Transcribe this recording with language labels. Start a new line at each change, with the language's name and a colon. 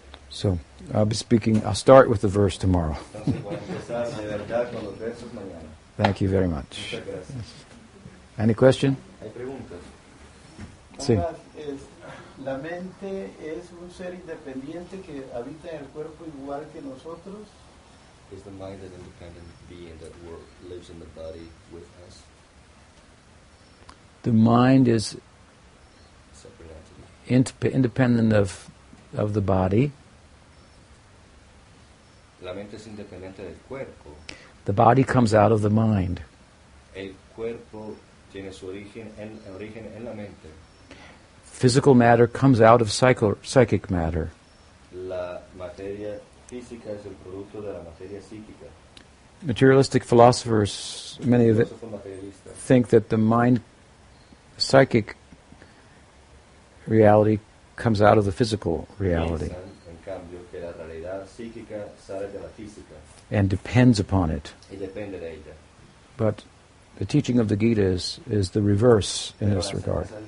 English: So, I'll start with the verse tomorrow.
Spanish: Entonces, voy a empezar de verdad con los versos mañana.
English: Thank you very much.
Spanish: Muchas gracias.
English: Any question?
Spanish: Hay preguntas. Sí. La mente es un ser independiente que habita en el cuerpo igual que nosotros.
English: Is the mind an independent being that lives in the body with us? The mind is independent of the body.
Spanish: La mente es independiente del cuerpo.
English: The body comes out of the mind.
Spanish: El cuerpo tiene su origen en la mente.
English: Physical matter comes out of psychic matter.
Spanish: La materia física es el producto de la materia psíquica.
English: Materialistic philosophers, many of them, think that the mind, psychic reality, comes out of the physical reality.
Spanish: En cambio, que la realidad psíquica sale de la física.
English: And depends upon it.
Spanish: Y depende de ella.
English: But the teaching of the Gita is the reverse in this regard.